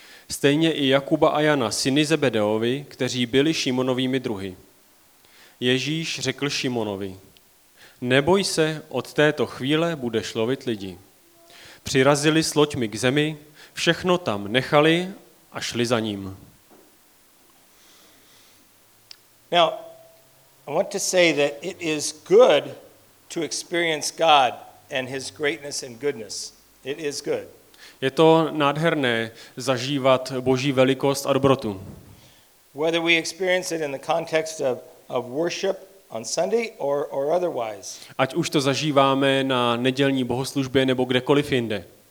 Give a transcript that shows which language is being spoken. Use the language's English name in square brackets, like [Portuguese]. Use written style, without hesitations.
[Czech] Stejně i Jakuba a Jana, syny Zebedeovi, kteří byli Šimonovými druhy. Ježíš řekl Šimonovi, neboj se, od této chvíle budeš lovit lidi. Přirazili s loďmi k zemi, všechno tam nechali a šli za ním. [English] Now, I want to say that it is good to experience God and his greatness and goodness. It is good. [Czech] Je to nádherné zažívat Boží velikost a dobrotu. [English] Whether we experience it in the context of worship on Sunday or otherwise. [Czech] Ať už to zažíváme na nedělní bohoslužbě nebo kdekoliv jinde.